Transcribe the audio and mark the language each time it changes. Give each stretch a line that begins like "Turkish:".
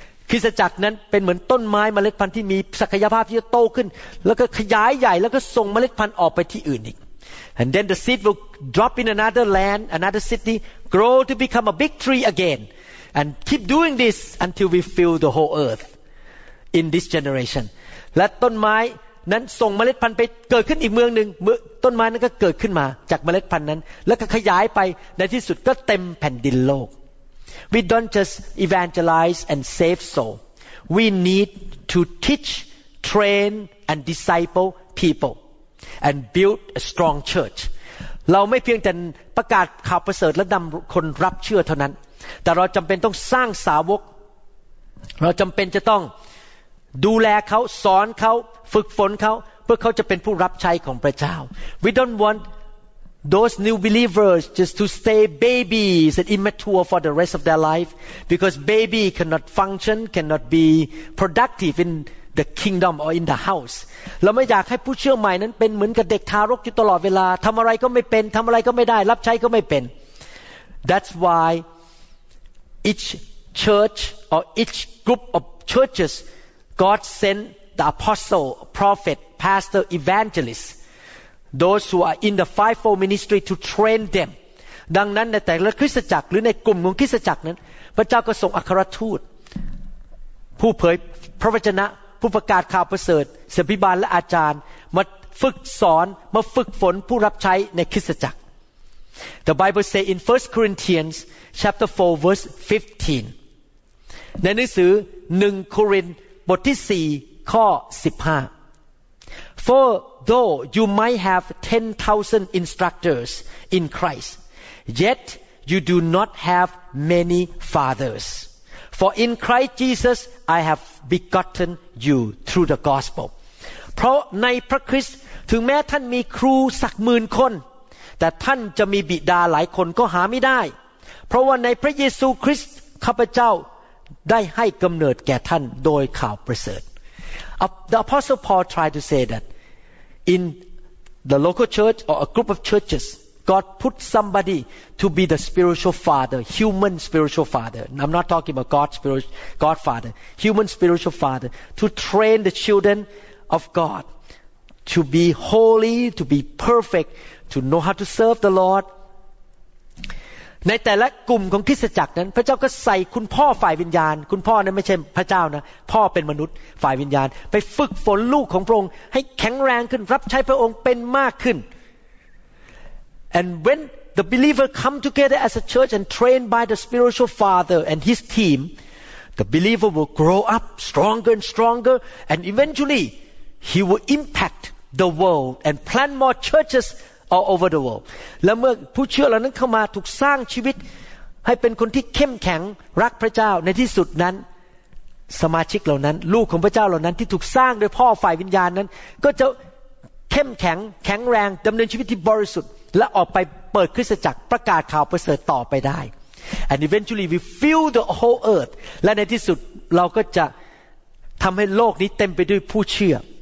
Thai: คริสตจักรนั้นเป็นเหมือนต้นไม้เมล็ดพันธุ์ที่มีศักยภาพที่จะโตขึ้นแล้วก็ขยายใหญ่แล้วก็ส่งเมล็ดพันธุ์ออกไปที่อื่นอีก
English: And then the seed will drop in another land, another city, grow to become a big tree again and keep doing this until we fill the whole earth in this generation
Thai: และต้นไม้นั้นส่งเมล็ดพันธุ์ไปเกิดขึ้นอีกเมืองนึงต้นไม้นั้นก็เกิดขึ้นมาจากเมล็ดพันธุ์นั้นแล้วก็ขยายไปในที่สุดก็เต็มแผ่นดินโลก
English: We don't just evangelize and save soul. We need to teach, train, and disciple people, and build a strong church.
Thai: เราไม่เพียงแต่ประกาศข่าวประเสริฐและนำคนรับเชื่อเท่านั้นแต่เราจำเป็นต้องสร้างสาวกเราจำเป็นจะต้องดูแลเขาสอนเขาฝึกฝนเขาเพื่อเขาจะเป็นผู้รับใช้ของพระเจ้า
English: We don't wantThose new believers just to stay babies and immature for the rest of their life because baby cannot function, cannot be productive in the kingdom or in the house.
Thai: เราไม่อยากให้ผู้เชื่อใหม่นั้นเป็นเหมือนกับเด็กทารกอยู่ตลอดเวลาทำอะไรก็ไม่เป็นทำอะไรก็ไม่ได้รับใช้ก็ไม่เป็น
English: That's why each church or each group of churches God sent the apostle, prophet, pastor, evangelist. Those who are in the fivefold ministry to train them.
Thai: ดังนั้นในแต่ละคริสตจักรหรือในกลุ่มของคริสตจักรนั้นพระเจ้าก็ส่งอัครทูตผู้เผยพระวจนะผู้ประกาศข่าวประเสริฐศิษยาภิบาลและอาจารย์มาฝึกสอนมาฝึกฝนผู้รับใช้ในคริสตจักร
English: The Bible says in 1 Corinthians chapter 4 verse 15.
Thai: ในหนังสือ1โครินธ์บทที่4ข้อ15
English: For though you might have 10,000 instructors in Christ, yet you do not have many fathers. For in Christ Jesus, I have begotten you through the gospel.
Thai: เพราะในพระคริสต์ถึงแม้ท่านมีครูสักหมื่นคนแต่ท่านจะมีบิดาหลายคนก็หาไม่ได้เ พราะว่าในพระเยซูคริสต์ข้าพเจ้าได้ให้กำเนิดแก่ท่านโดยข่าวประเสริฐ
English: The Apostle Paul tried to say that in the local church or a group of churches God put somebody to be the spiritual father human spiritual father I'm not talking about God's spiritual godfather human spiritual father to train the children of God to be holy to be perfect to know how to serve the Lord
Thai: ในแต่ละกลุ่มของคริสตจักรนั้นพระเจ้าก็ใส่คุณพ่อฝ่ายวิญญาณคุณพ่อนั้นไม่ใช่พระเจ้านะพ่อเป็นมนุษย์ฝ่ายวิญญาณไปฝึกฝนลูกของพระองค์ให้แข็งแรงขึ้นรับใช้พระองค์เป็นมากขึ้น
English: and when the believer come together as a church and trained by the spiritual father and his team the believer will grow up stronger and stronger and eventually he will impact the world and plant more churchesall over the world
Thai: แล้วเมื่อผู้เชื่อเหล่านั้นเข้ามาถูกสร้างชีวิตให้เป็นคนที่เข้มแข็งรักพระเจ้าในที่สุดนั้นสมาชิกเหล่านั้นลูกของพระเจ้าเหล่านั้นที่ถูกสร้างโดยพ่อฝ่ายวิญญาณนั้นก็จะเข้มแข็งแข็งแรงดำเนินชีวิตที่บริสุทธิ์และออกไปเปิดคริสตจักรประกาศข่าวประเสริฐต่อไปได้
English: and eventually we fill the whole earth
Thai: และในที่สุดเราก็จะทำให้โลกนี้เต็มไปด้วยผู้เชื่อ